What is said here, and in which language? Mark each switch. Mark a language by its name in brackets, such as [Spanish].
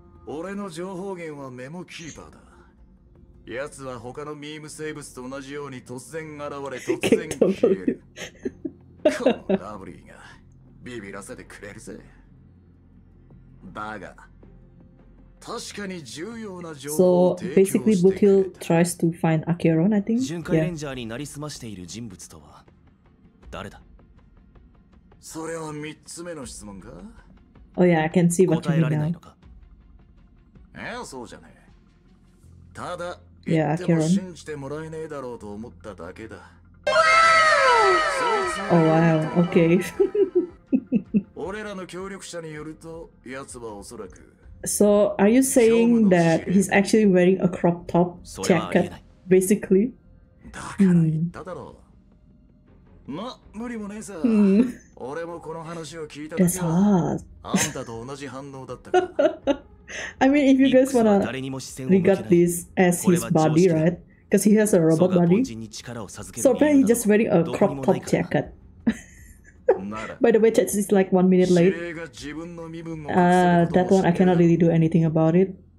[Japanese] 俺の情報源はメモキーパーだ。やつは他のミーム生物と同じように突然現れ突然消える。このラブリーがビビらせてくれるぜ。だが、確かに重要な情報を提供してくれた。 [English] So basically, Butil tries to find Acheron, I think. [Japanese] 巡回レンジャーになりすましている人物とは誰だ。それは三つ目の質問か。 [English] Oh yeah, I can see what you mean now. [Japanese] そうじゃねえ。ただ、言っても信じてもらえねえだろうと思っただけだ。おわー、オッケー。俺らの協力者によると、やつはおそらく。 [English] So, are you saying that he's actually wearing a crop top jacket, basically? [Japanese] だから言っただろう。ま、無理もねえさ。俺もこの話を聞いたらさ、あんたと同じ反応だったか。 [English] I mean, if you guys wanna look at this as his body, right? Because he has a robot body. So apparently he's just wearing a crop top jacket. By the way, Chat is like 1 minute late. That one I cannot really do anything about it.